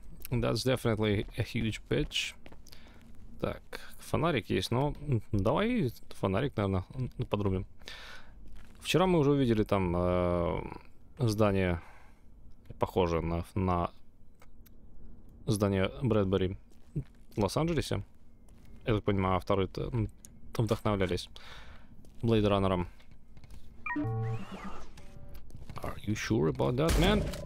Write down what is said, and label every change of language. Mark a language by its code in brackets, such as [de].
[en] That's definitely a huge bitch. [ru] Так, фонарик есть, но давай фонарик, наверное, подрубим. Вчера мы уже увидели там здание, похожее на здание Брэдбери в Лос-Анджелесе. Я так понимаю, авторы-то вдохновлялись Blade Runner'ом. [en] Are you sure about that, man?